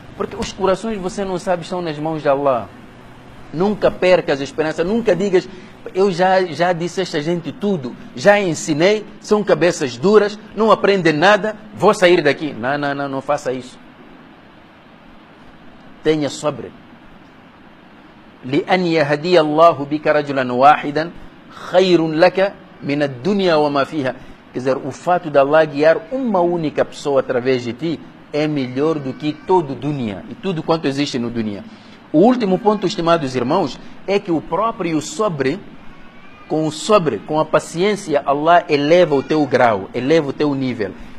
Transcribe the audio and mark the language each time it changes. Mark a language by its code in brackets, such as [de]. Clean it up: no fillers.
[pt] Porque os corações, você não sabe, estão nas mãos de Allah. Nunca percas a esperança, nunca digas, eu já disse a esta gente tudo, já ensinei, são cabeças duras, não aprendem nada, vou sair daqui. Não, não, não, não faça isso. Tenha sobre. [ar] لأن يهدي الله بك رجلا واحدا خير لك من الدنيا وما فيها. [pt] Quer dizer, o fato de Allah guiar uma única pessoa através de ti é melhor do que todo o dunia e tudo quanto existe no dunia. O último ponto, estimados irmãos, é que o próprio sobre, com o sobre, com a paciência, Allah eleva o teu grau, eleva o teu nível.